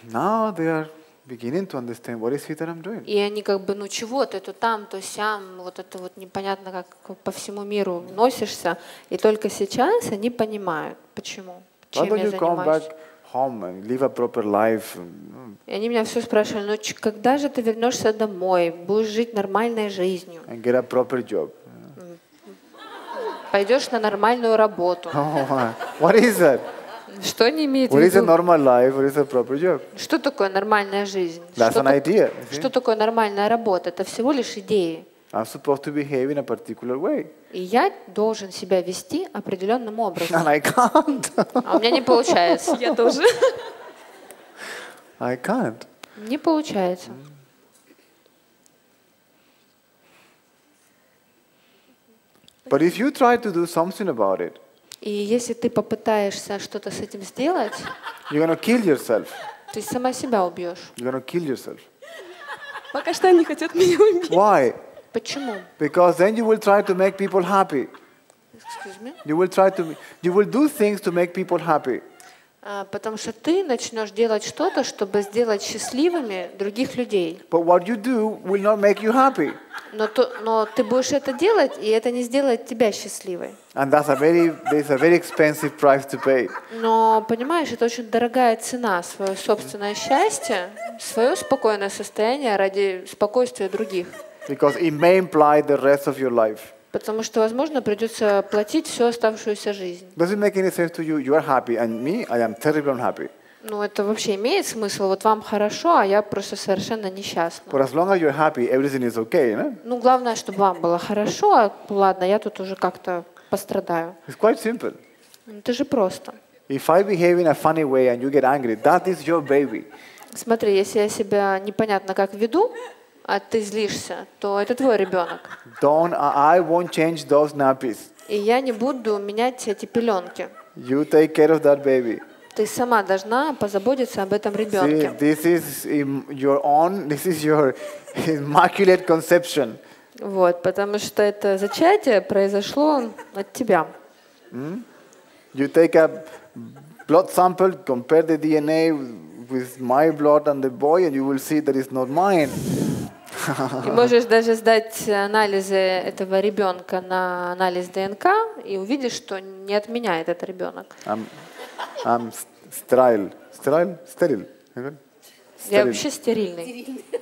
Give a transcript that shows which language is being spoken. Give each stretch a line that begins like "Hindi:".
English: Now they are beginning to understand what is it that I'm doing.
Russian: И они как бы, ну чего ты, то там, то сям, вот это вот непонятно, как по всему миру носишься. И только сейчас они понимают, почему, чем я занимаюсь.
English: Why don't you come back home and live a proper life?
Russian: И они меня все спрашивали, ну когда же ты вернешься домой, будешь жить нормальной жизнью?
English: And get a proper job.
Russian: Пойдешь на нормальную работу.
English: Oh, what is that?
Russian: Что они имеют в виду?
English: What is a normal life? What is a proper job?
Russian: Что такое нормальная жизнь?
English: That's an idea.
Russian: Что такое нормальная работа? Это всего лишь идеи.
English: I'm supposed to behave in a particular way.
Russian: И я должен себя вести определенным образом.
English: And I can't.
Russian: А у меня не получается. Я тоже.
English: I can't.
Russian: Не получается.
English: But if you try to do something about it.
Russian: И если ты попытаешься что-то с этим сделать,
English: you're gonna kill yourself.
Russian: Ты сама себя убьешь.
English: You're gonna kill yourself.
Russian: Пока что они хотят меня убить.
English: Why?
Russian: Почему?
English: Because then you will try to make people happy. Excuse me? You will do things to make people happy.
Russian: Потому что ты начнешь делать что-то, чтобы сделать счастливыми других людей.
English: But what you do will not make you happy.
Russian: Но ты будешь это делать, и это не сделает тебя счастливой.
English: And that's a very expensive price to pay.
Russian: Но понимаешь, это очень дорогая цена, свое собственное счастье, свое спокойное состояние ради спокойствия других.
English: Because it may imply the rest of your life.
Russian: Потому что, возможно, придется платить всю оставшуюся жизнь.
English: Does it make any sense to you? You are happy, and me, I am terribly unhappy.
Russian: Ну, это вообще имеет смысл. Вот вам хорошо, а я просто совершенно несчастна.
English: For as long as you're happy, everything is okay, no?
Russian: Ну, главное, чтобы вам было хорошо, а ладно, я тут уже как-то пострадаю.
English: It's quite simple.
Russian: Это же просто.
English: If I behave in a funny way and you get angry, that is your baby.
Russian: Смотри, если я себя непонятно как веду, а ты злишься, то это твой ребенок.
English: Don't, I won't change those nappies.
Russian: И я не буду менять эти пеленки.
English: You take care of that baby.
Russian: Ты сама должна позаботиться об этом ребенке.
English: See, this is your own, this is your immaculate conception.
Russian: Вот, потому что это зачатие произошло от тебя. Mm?
English: You take a blood sample, compare the DNA with my blood and the boy, and you will see that it's not mine.
Russian: Ты можешь даже сдать анализы этого ребенка на анализ ДНК и увидишь, что не от меня этот ребенок.
English: I'm sterile. Sterile? Steril.
Russian: Я вообще стерильный.